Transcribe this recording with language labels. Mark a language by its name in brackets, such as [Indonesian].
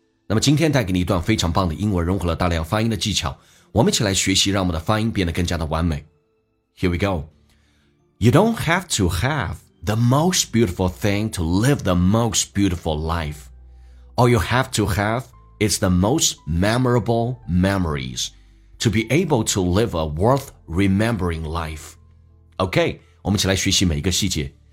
[Chinese] 那么今天带给你一段非常棒的英文，融合了大量发音的技巧，我们一起来学习，让我们的发音变得更加的完美。 [English] Here we go. You don't have to have the most beautiful thing to live the most beautiful life. All you have to have is the most memorable memories to be able to live a worth remembering life. [Chinese] OK, 我们一起来学习每一个细节。